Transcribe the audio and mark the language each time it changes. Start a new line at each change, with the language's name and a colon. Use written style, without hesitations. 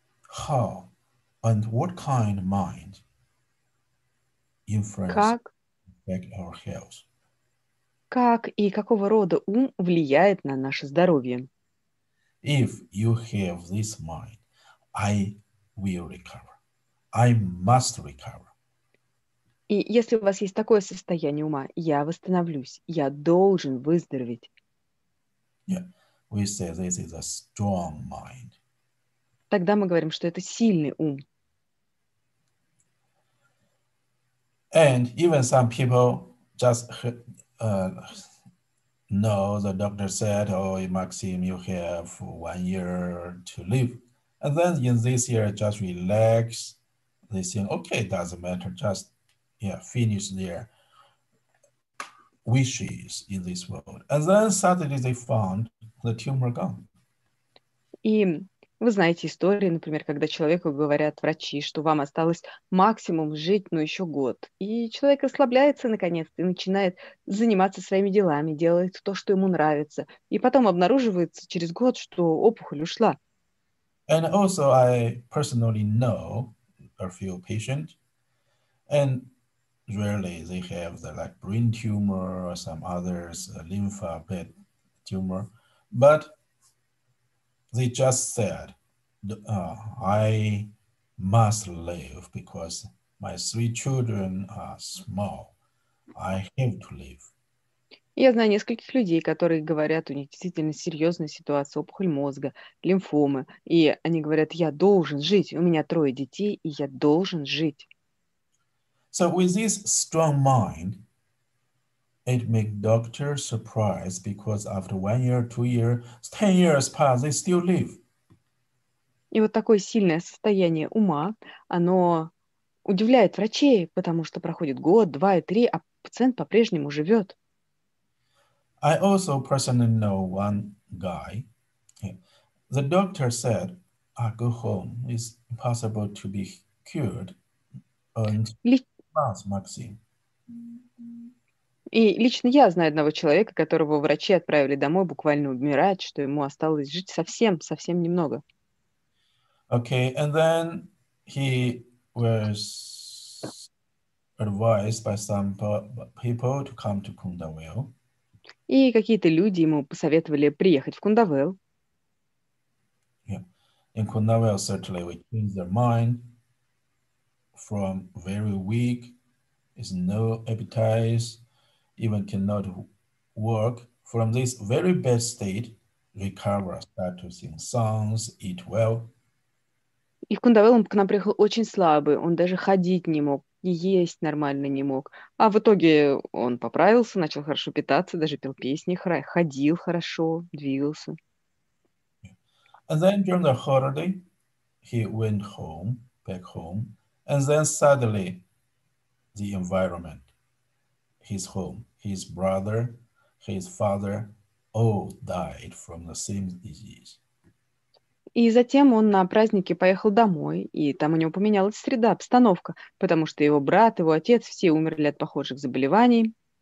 English: How and what kind of mind influence affect our health?
Russian: Как и какого рода ум влияет на наше здоровье?
English: If you have this mind, I will recover. I must recover.
Russian: И если у вас есть такое состояние ума, я восстановлюсь, я должен выздороветь.
English: We say this is a strong mind.
Russian: Тогда мы говорим, что это сильный ум.
English: And even some people just know the doctor said, "Oh, Maxim, you have 1 year to live." And then in this year, just relax. They say, "Okay, it doesn't matter. Just finish their wishes in this world." And then suddenly they found the tumor gone.
Russian: И Вы знаете истории, например, когда человеку говорят врачи, что вам осталось максимум жить, но еще год. И человек расслабляется наконец-то и начинает заниматься своими делами, делает то, что ему нравится. И потом обнаруживается через год, что опухоль ушла.
English: And also, I personally know a few patients, and rarely they have the like brain tumor or some others, a lymphoid tumor, but they just said, I must live because my three children are small. I have to live.
Russian: Я знаю нескольких людей, которые говорят, у них действительно серьезная ситуация, опухоль мозга, лимфомы. И они говорят, я должен жить, у меня трое детей, и я должен жить.
English: So with this strong mind, it makes doctors surprised because after 1 year, 2 years, 10 years pass, they still live.
Russian: И вот такое сильное состояние ума, оно удивляет врачей, потому что проходит год, два и три, а пациент по-прежнему живет.
English: I also personally know one guy. The doctor said, "I go home. It's impossible to be cured," and Максим.
Russian: И лично я знаю одного человека, которого врачи отправили домой буквально умирать, что ему осталось жить совсем, совсем немного.
English: Okay, and then he was advised by some people to come to Kundavel.
Russian: И какие-то люди ему посоветовали приехать в Кундавел.
English: In Kundavel, certainly we change their mind from very weak. Is no appetite, even cannot work from this very bad state, recover, start to sing songs, eat well.
Russian: И в Кундавел он к нам приехал очень слабый, он даже ходить не мог, есть нормально не мог. А в итоге он поправился, начал хорошо питаться, даже пел песни, ходил хорошо, двигался.
English: And then during the holiday, he went home, back home, and then suddenly the environment, his home, his brother, his father all died from the same disease.
Russian: И затем он на праздники поехал домой, и там у него поменялась среда, обстановка, потому что его брат, его отец все умерли от похожих заболеваний.